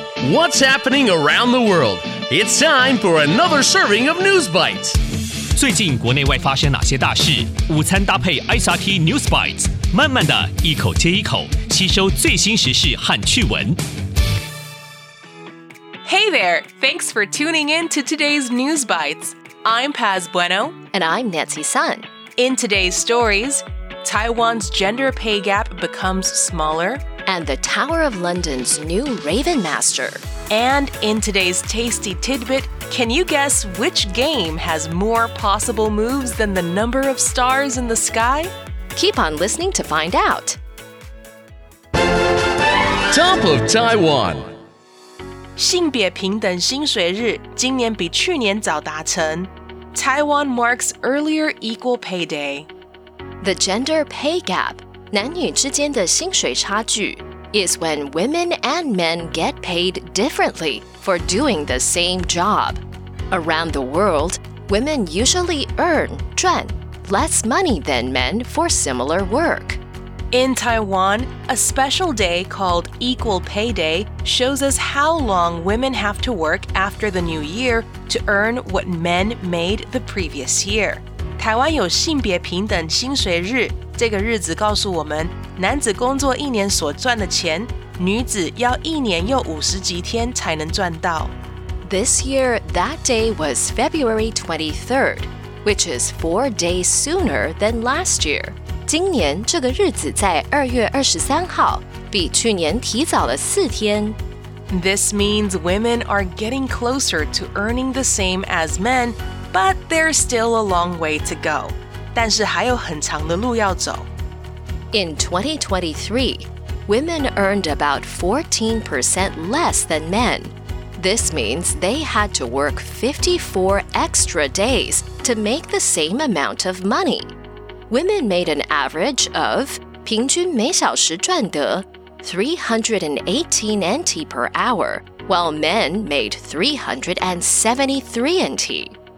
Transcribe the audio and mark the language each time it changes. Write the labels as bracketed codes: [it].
[en] What's happening around the world? It's time for another serving of News Bites. [zh] 最近国内外发生哪些大事？午餐搭配 SRT News Bites， 慢慢的一口接一口，吸收最新时事和趣闻。 [en] Hey there! Thanks for tuning in to today's News Bites. I'm Paz Bueno. And I'm Nancy Sun. In today's stories, Taiwan's gender pay gap becomes smaller. And the Tower of London's new Raven Master. And in today's tasty tidbit, can you guess which game has more possible moves than the number of stars in the sky? Keep on listening to find out. Top of Taiwan. [zh] 性别平等薪水日今年比去年早达成。 [en] Taiwan marks earlier equal pay day. The gender pay gap, [zh] 男女之间的薪水差距, [en] is when women and men get paid differently for doing the same job. Around the world, women usually earn, 赚, less money than men for similar work. In Taiwan, a special day called Equal Pay Day shows us how long women have to work after the new year to earn what men made the previous year. [zh] 台湾有性别平等薪水日，这个日子告诉我们，男子工作一年所赚的钱，女子要一年又五十几天才能赚到。 [en] This year, that day was February 23rd, which is 4 days sooner than last year. [zh] 今年这个日子在2月23号，比去年提早了四天。 [en] This means women are getting closer to earning the same as men, but there's still a long way to go. [zh] 但是还有很长的路要走。 [en] In 2023, women earned about 14% less than men. This means they had to work 54 extra days to make the same amount of money. Women made an average of [zh] 平均每小时赚得 [en] 318 NT per hour, while men made 373 NT.